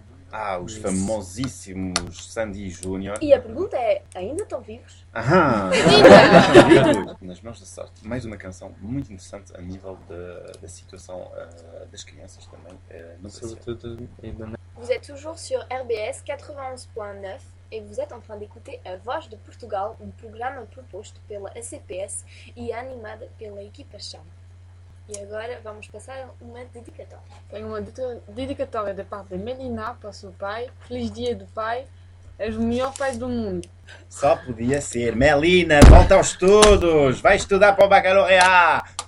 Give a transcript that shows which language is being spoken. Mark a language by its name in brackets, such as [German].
[Portuguese] Ah, os famosíssimos Sandy Júnior. E a pergunta é, ainda estão vivos? Aham! Nas mãos da sorte, mais uma canção muito interessante a nível da situação das crianças também. Sobretudo [French] vous êtes toujours sur RBS 91.9 et vous êtes en train d'écouter A Voz de Portugal, [Portuguese] um programa proposto pela ACPS e animado pela equipa Chama. E agora vamos passar uma dedicatória. Tenho uma dedicatória da parte de Melina para o seu pai. Feliz dia do pai. És o melhor pai do mundo. Só podia ser. Melina, volta aos estudos. Vai estudar para o bacalaureado.